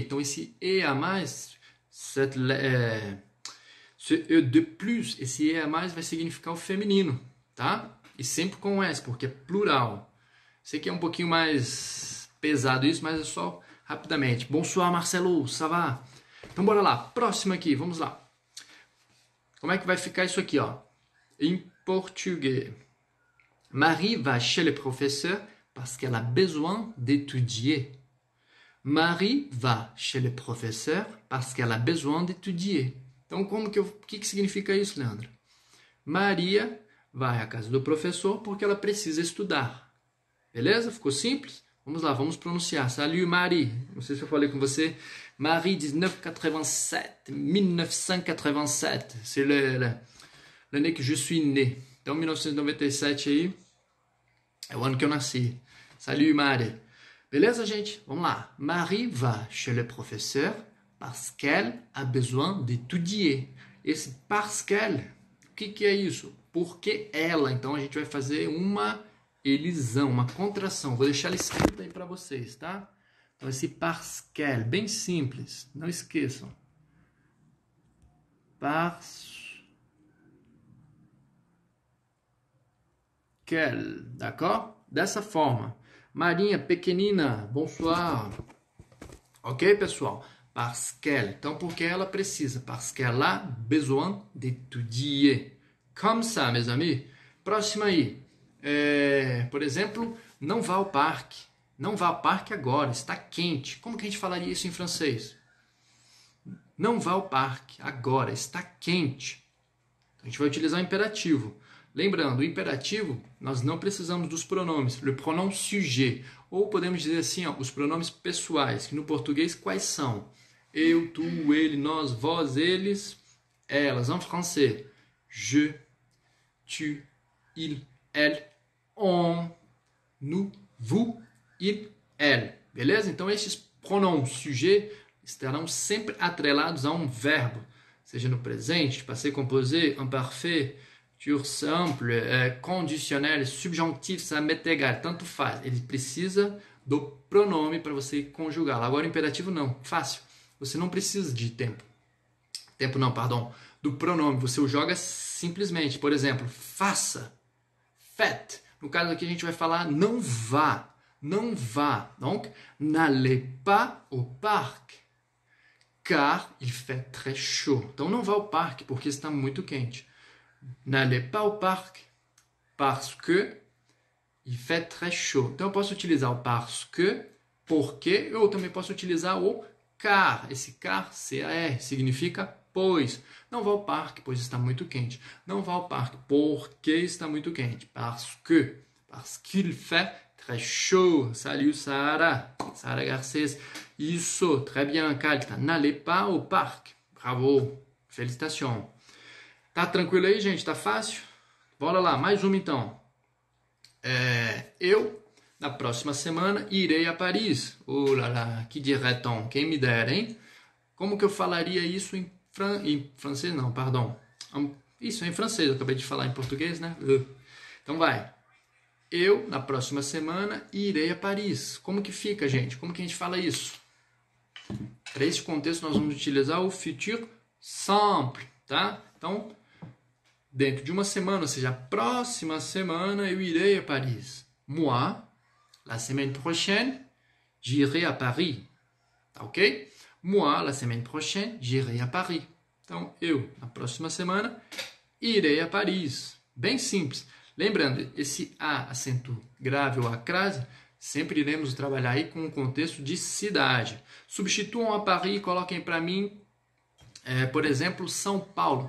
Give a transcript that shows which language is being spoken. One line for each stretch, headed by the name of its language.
Portuguese: Então, esse E a mais, esse E
French: de plus,
Portuguese: esse E a mais vai significar o feminino, tá? E sempre com S, porque é plural. Sei que é um pouquinho mais pesado isso, mas é só rapidamente.
French: Bonsoir, Marcelo, ça va?
Portuguese: Então, bora lá. Próximo aqui, vamos lá. Como é que vai ficar isso aqui, ó? Em português.
French: Marie va chez le professeur parce qu'elle a besoin d'étudier. Marie va chez le professeur parce qu'elle a besoin d'étudier.
Portuguese: Então, que significa isso, Leandro? Maria vai à casa do professor porque ela precisa estudar. Beleza? Ficou simples? Vamos lá, vamos pronunciar.
French: Salut, Marie.
Portuguese: Não sei se eu falei com você. Marie 1987. 1987.
French: C'est l'année que je suis né.
Portuguese: Então, 1997 aí é o ano que eu nasci.
French: Salut, Marie.
Portuguese: Beleza, gente? Vamos lá.
French: Marie va chez le professeur parce qu'elle a besoin d'étudier.
Portuguese: Esse parce qu'elle, o que é isso? Porque ela. Então, a gente vai fazer uma elisão, uma contração. Vou deixar ela escrita aí para vocês, tá? Então, esse parce qu'elle, bem simples. Não esqueçam.
French: Parce qu'elle, d'accord?
Portuguese: Dessa forma. Marinha, pequenina,
French: bonsoir.
Portuguese: Ok, pessoal? Parce qu'elle. Então, porque ela precisa.
French: Parce qu'elle a besoin d'étudier. Comme ça, mes amis.
Portuguese: Próxima aí. Por exemplo, não vá ao parque. Não vá ao parque agora, está quente. Como que a gente falaria isso em francês? Não vá ao parque agora, está quente. A gente vai utilizar o imperativo. Lembrando, o imperativo, nós não precisamos dos pronomes.
French: Le pronom sujet.
Portuguese: Ou podemos dizer assim, ó, os pronomes pessoais, que no português quais são? Eu, tu, ele, nós, vós, eles, elas. Em francês, je, tu, il, elle.
French: On, nous, vous, il, elle. Beleza?
Portuguese: Então, esses pronomes sujet estarão sempre atrelados a um verbo. Seja no presente, passé composé, imparfait, futur simple, conditionnel, subjonctif,
French: ça m'est égal.
Portuguese: Tanto faz. Ele precisa do pronome para você conjugá-lo. Agora, imperativo não. Fácil. Você não precisa de tempo. Tempo não, perdão. Do pronome. Você o joga simplesmente. Por exemplo, faça.
French: Faites.
Portuguese: No caso aqui, a gente vai falar não vá. Não vá.
French: Donc, n'allez pas au parc, car il fait très chaud.
Portuguese: Então, não vá ao parque, porque está muito quente.
French: N'allez pas au parc, parce que il fait très chaud.
Portuguese: Então, eu posso utilizar o parce que, porque, ou também posso utilizar o car. Esse car, C-A-R, significa pois. Não vá ao parque, pois está muito quente. Não vá ao parque, porque está muito quente.
French: Parce qu'il fait très chaud. Salut, Sarah. Sarah Garcés.
Portuguese: Isso.
French: Très bien, Calta. N'allez pas au parc. Bravo. Félicitations.
Portuguese: Tá tranquilo aí, gente? Tá fácil? Bora lá. Mais uma, então. Eu, na próxima semana, irei a Paris.
French: Oh là là.
Portuguese: Que diretão. Quem me dera, hein? Como que eu falaria isso em francês? Não, perdão. Isso, é em francês. Eu acabei de falar em português, né? Então, vai. Eu, na próxima semana, irei a Paris. Como que fica, gente? Como que a gente fala isso? Para esse contexto, nós vamos utilizar o futur simple, tá? Então, dentro de uma semana, ou seja, a próxima semana, eu irei a Paris.
French: Moi, la semaine prochaine, j'irai à Paris.
Portuguese: Tá ok?
French: Moi, la semaine prochaine, j'irai à Paris.
Portuguese: Então, eu, na próxima semana, irei a Paris. Bem simples. Lembrando, esse A, acento grave ou a crase, sempre iremos trabalhar aí com o contexto de cidade. Substituam a Paris e coloquem para mim, por exemplo, São Paulo.